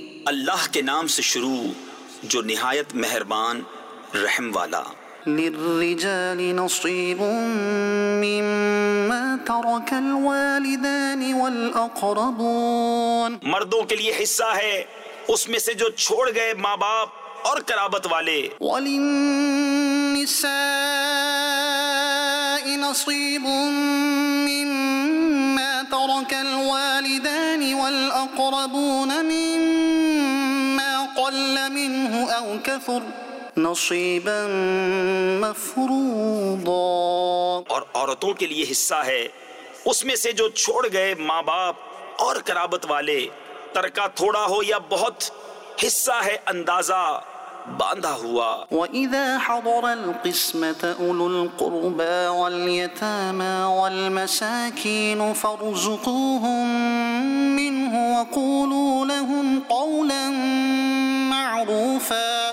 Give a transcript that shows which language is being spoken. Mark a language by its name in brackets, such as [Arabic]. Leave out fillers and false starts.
[Urdu] اللہ کے نام سے شروع جو نہایت مہربان رحم والا [Arabic] للرجال نصيب مما ترك الوالدان والأقربون [Urdu] مردوں کے لیے حصہ ہے اس میں سے جو چھوڑ گئے ماں باپ اور قرابت والے [Arabic] وللنساء نصيب مما ترك الوالدان والأقربون مما قل منه أو كثر نصيبا مفروضا [Urdu] اور عورتوں کے لیے حصہ ہے اس میں سے جو چھوڑ گئے ماں باپ اور قرابت والے ترکہ تھوڑا ہو یا بہت حصہ ہے اندازہ باندھا ہوا [Arabic] وَإِذَا حَضَرَ الْقِسْمَةَ أُولُو الْقُرْبَى وَالْيَتَامَى وَالْمَسَاكِينُ فَارْزُقُوهُمْ مِنْهُ وَقُولُوا لَهُمْ قَوْلًا مَعْرُوفًا